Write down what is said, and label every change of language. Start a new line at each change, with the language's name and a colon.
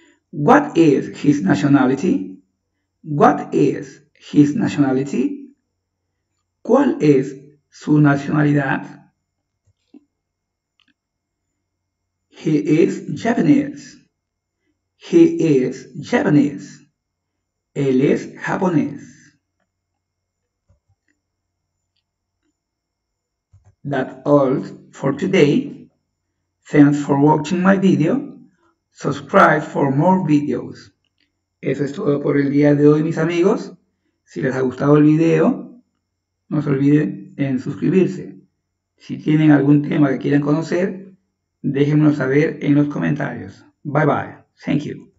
English: What is his nationality? What is his nationality?
Spanish: ¿Cuál es su nacionalidad?
English: He is Japanese. He is Japanese.
Spanish: Él es japonés.
English: That's all for today. Thanks for watching my video. Subscribe for more videos.
Spanish: Eso es todo por el día de hoy, mis amigos. Si les ha gustado el video, no se olviden en suscribirse. Si tienen algún tema que quieran conocer, déjenmelo saber en los comentarios.
English: Bye bye. Thank you.